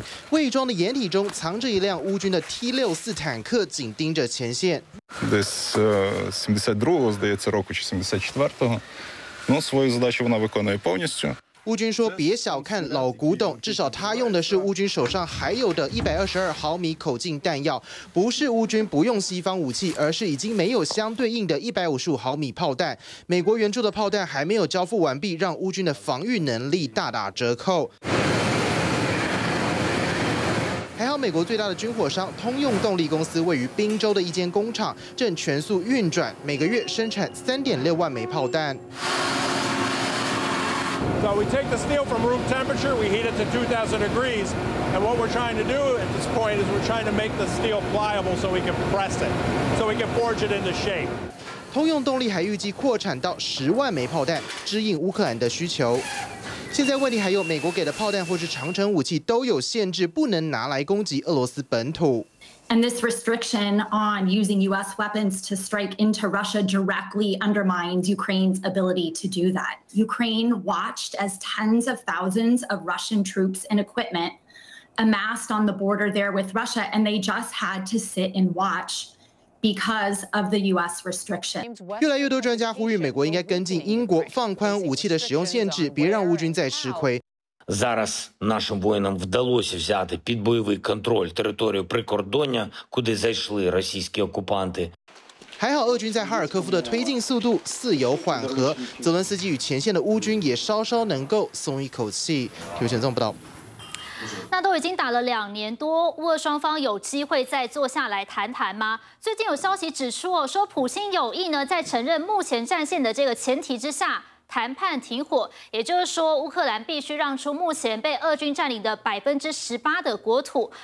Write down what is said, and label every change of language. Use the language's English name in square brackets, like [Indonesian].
[Chinese] 伪装的掩体中藏着一辆乌军的 T-64 坦克，紧盯着前线。 [Ukrainian] This 72-го здається року чи 74-го。 Но свою задачу вона виконує повністю. [Chinese] 乌军说：“别小看老古董，至少他用的是乌军手上还有的122毫米口径弹药，不是乌军不用西方武器，而是已经没有相对应的155毫米炮弹。美国援助的炮弹还没有交付完毕，让乌军的防御能力大打折扣。” 还好美国最大的军火商通用动力公司位于宾州的一间工厂正全速运转，每个月生产3.6万枚炮弹。 [English] So we take the steel from room temperature, we heat it to 2,000 degrees, and what we're trying to do at this point is we're trying to make the steel pliable so we can press it, so we can forge it into shape. [Chinese] 通用动力还预计扩产到10万枚炮弹，支应乌克兰的需求。现在问题还有，美国给的炮弹或是长程武器都有限制，不能拿来攻击俄罗斯本土。 [English] And this restriction on using U.S. weapons to strike into Russia directly undermines Ukraine's ability to do that. Ukraine watched as tens of thousands of Russian troops and equipment amassed on the border there with Russia, and they just had to sit and watch. Because of the U.S. restriction, [Chinese] 越来越多专家呼吁美国应该跟进英国，放宽武器的使用限制，别让乌军再吃亏。 [Ukrainian] Зараз нашим воїнам вдалося взяти під бойовий контроль територію прикордоння, куди зайшли російські окупанти. [Chinese] 还好俄军在哈尔科夫的推进速度似有缓和，泽伦斯基与前线的乌军也稍稍能够松一口气。有选中不到。那都已经打了2年多，乌俄双方有机会再坐下来谈谈吗？最近有消息指出哦，说普京有意呢，在承认目前战线的这个前提之下，谈判停火，也就是说乌克兰必须让出目前被俄军占领的18%的国土。